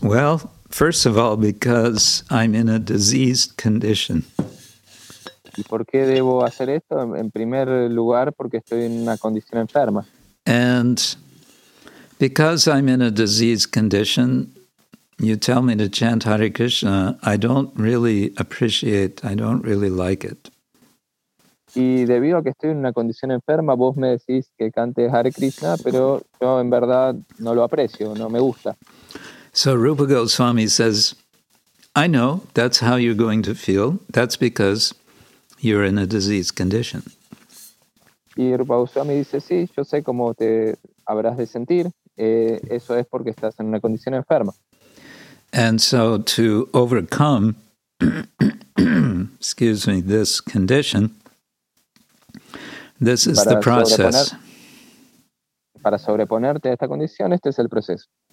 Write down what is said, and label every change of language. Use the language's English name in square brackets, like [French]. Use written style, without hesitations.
[English] Well, first of all, because I'm in a diseased condition. [Spanish] ¿Y por qué debo hacer esto? En primer lugar, porque estoy en una condición enferma. [English] And because I'm in a diseased condition, you tell me to chant Hare Krishna, I don't really appreciate, I don't really like it. [Spanish] Y debido a que estoy en una condición enferma, vos me decís que cante Hare Krishna, pero yo en verdad no lo aprecio, no me gusta. [English] So Rupa Goswami says, I know that's how you're going to feel. That's because you're in a disease condition. [Spanish] Y Rupa Goswami dice, sí, yo sé cómo te habrás de sentir. Eso es porque estás en una condición enferma. [English] And so to overcome, excuse me, this condition, this is the process. [Spanish] Para sobreponerte a esta condición, este es el proceso.